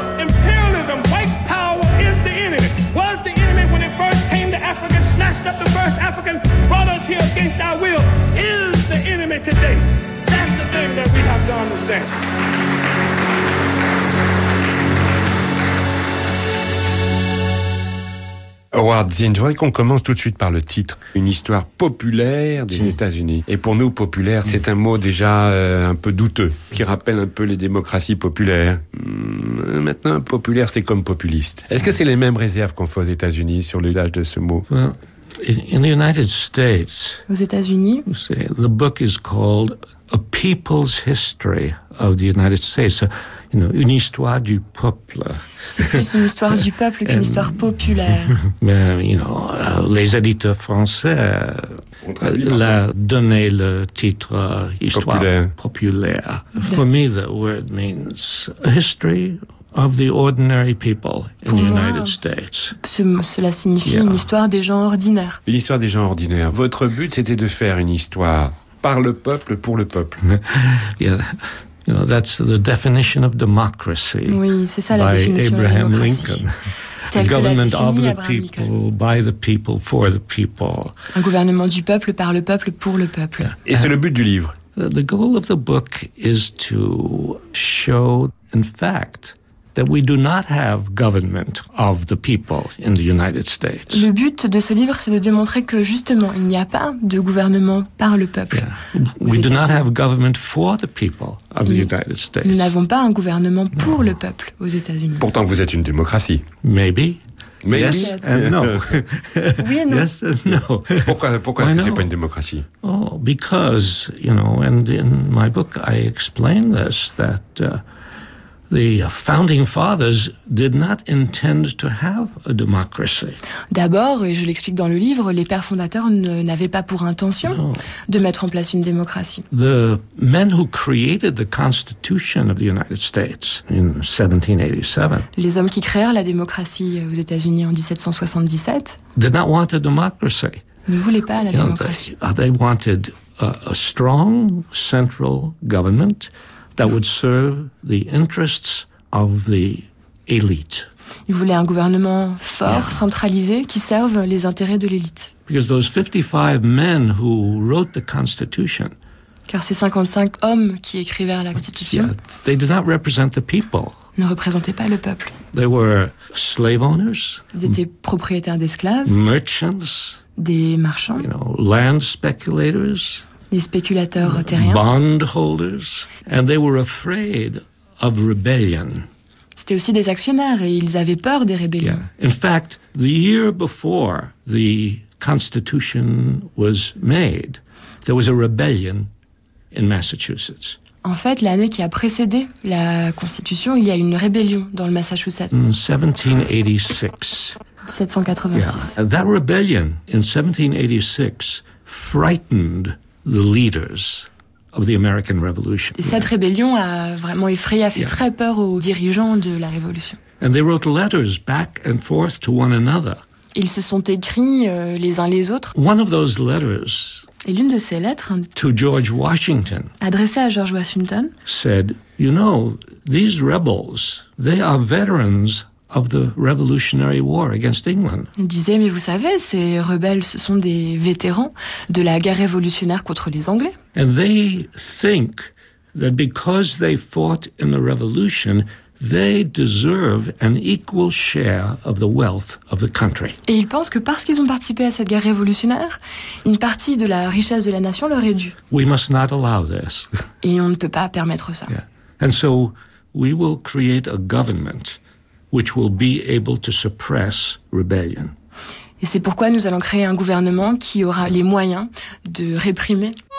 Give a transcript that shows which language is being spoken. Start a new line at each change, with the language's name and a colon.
English: Imperialism, white power is the enemy. Was the enemy when it first came to Africa, snatched up the first African, brought us here against our will, is the enemy today. That's the thing that we have to understand.
French: Howard Zinn, je voudrais qu'on commence tout de suite par le titre. Une histoire populaire des États-Unis. Et pour nous, populaire, c'est un mot déjà un peu douteux, qui rappelle un peu les démocraties populaires. Maintenant, populaire, c'est comme populiste. Est-ce que c'est les mêmes réserves qu'on fait aux États-Unis sur l'usage de ce mot?
English: In the United States,
French: aux États-Unis,
English: the book is called A People's History of the United States.
French: Une histoire du peuple. C'est plus une histoire du peuple qu'une histoire populaire. Mais, les éditeurs français l'a donné le titre Histoire populaire.
English: For me, the word means a history of the ordinary people in the United States.
French: Cela signifie une histoire des gens ordinaires. Une histoire des gens ordinaires. Votre but, c'était de faire une histoire par le peuple, pour le peuple.
English: That's the definition of democracy.
French: Oui, c'est ça la définition de la démocratie.
English: Abraham Lincoln.
French: tel que la définit Abraham Lincoln. Un gouvernement du peuple, par le peuple, pour le peuple. Et c'est le but du livre.
English: The goal of the book is to show, in fact, that we do not have government of the people in the United States.
French: Le but de ce livre, c'est de démontrer que justement, il n'y a pas de gouvernement par le peuple. Yeah.
English: We do not have government for the people of the United States.
French: Nous n'avons pas un gouvernement pour le peuple aux États-Unis. Pourtant, vous êtes une démocratie.
English: Maybe.
French: Mais
English: yes and no.
French: Oui et non.
English: Yes and no.
French: Pourquoi ce n'est pas une démocratie?
English: Oh, because, you know, and in my book, I explain this, that the founding fathers did not intend to have a democracy.
French: D'abord, et je l'explique dans le livre, les pères fondateurs n'avaient pas pour intention de mettre en place une démocratie.
English: The men who created the Constitution of the United States in 1787.
French: Les hommes qui créèrent la démocratie aux États-Unis en 1777.
English: Did not want a democracy.
French: Ne voulaient pas la démocratie.
English: They wanted a strong central government that would serve the interests of the elite.
French: Ils voulaient un gouvernement fort, centralisé, qui serve les intérêts de l'élite.
English: Because those 55 men who wrote the Constitution.
French: Car ces 55 hommes qui écrivèrent la Constitution.
English: Yeah, they did not represent the people.
French: Ne représentaient pas le peuple.
English: They were slave owners.
French: Ils étaient propriétaires d'esclaves.
English: Merchants.
French: Des marchands.
English: You know, land speculators.
French: Les spéculateurs terriens.
English: Bondholders, and they were afraid of rebellion.
French: C'était aussi des actionnaires et ils avaient peur des rébellions.
English: Yeah. In fact, the year before the Constitution was made, there was a rebellion in Massachusetts.
French: En fait, l'année qui a précédé la Constitution, il y a eu une rébellion dans le Massachusetts.
English: 1786. Yeah. That rebellion in 1786 frightened the leaders of the American Revolution.
French: Et cette rébellion a vraiment effrayé, a fait très peur aux dirigeants de la Révolution.
English: And they wrote letters back and forth to one another.
French: Ils se sont écrits les uns les autres.
English: One of those letters.
French: Et l'une de ces lettres.
English: To George Washington.
French: Adressée à George Washington.
English: Said, you know, these rebels, they are veterans of the Revolutionary War against England.
French: Il disait, mais vous savez, ces rebelles, ce sont des vétérans de la guerre révolutionnaire contre les Anglais.
English: And they think that because they fought in the Revolution, they deserve an equal share of the wealth of the country.
French: Et ils pensent que parce qu'ils ont participé à cette guerre révolutionnaire, une partie de la richesse de la nation leur est due.
English: We must not allow this.
French: Et on ne peut pas permettre ça.
English: Yeah. And so, we will create a government which will be able to suppress rebellion.
French: Et c'est pourquoi nous allons créer un gouvernement qui aura les moyens de réprimer.